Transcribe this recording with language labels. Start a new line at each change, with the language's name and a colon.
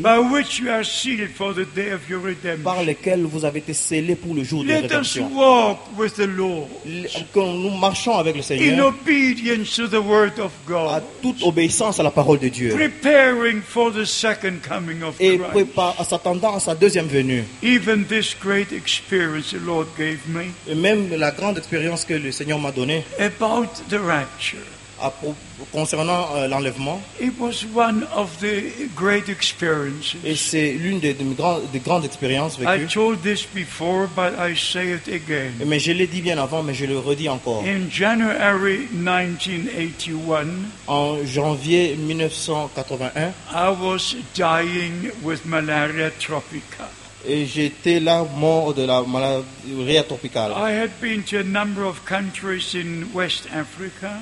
English: by which you are sealed for the day of your redemption.
French: Par lequel vous avez été scellés pour le jour
English: Let
French: de rédemption.
English: Us walk with the Lord,
French: que nous marchons avec le Seigneur
English: in obedience to the word of God,
French: à toute obéissance à la parole de Dieu
English: preparing for the second coming of
French: et
English: Christ.
French: S'attendant à sa deuxième venue.
English: Even this great experience the Lord gave me,
French: et même la grande expérience que le Seigneur m'a donnée
English: about the rapture.
French: Concernant l'enlèvement,
English: it was one of the great experiences.
French: Et c'est l'une des grandes expériences vécues.
English: I told this before, but I say it again.
French: Mais je l'ai dit bien avant, mais je le redis encore.
English: In January 1981,
French: en janvier 1981,
English: I was dying with malaria tropica.
French: Et j'étais là mort de la malaria tropicale.
English: I had been to a number of countries in West Africa.